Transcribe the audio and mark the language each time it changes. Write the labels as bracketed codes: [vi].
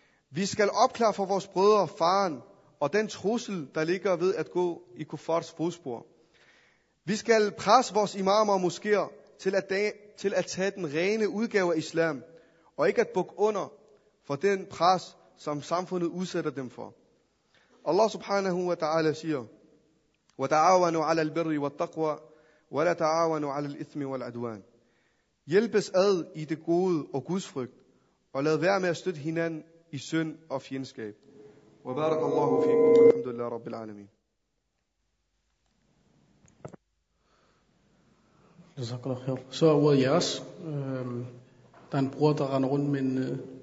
[da] Vi skal opklare for vores brødre faren og den trussel, der ligger ved at gå i kuffars fodspor. Vi skal presse vores imamer og moskéer til at tage den rene udgave af islam og ikke at bukke under for den pres, som samfundet udsætter dem for. Allah subhanahu wa ta'ala siger, [ar] وَدَعَوَنُوا عَلَى الْبِرِّ وَالتَّقْوَى وَلَا تَعَوَنُوا عَلَى الْإِثْمِ وَالْعَدْوَانِ. [da] Hjælpes ad i det gode og gudsfrygt, og lad være med at støtte hinanden i synd og fjendskab. [ar] وَبَارَكَ اللَّهُ فِيكُمْ وَالْحَمْدُ لِلَّهِ رَبِّ الْعَالَمِينَ. [da] Så er ordet jeres. Der er en bror, der render rundt med en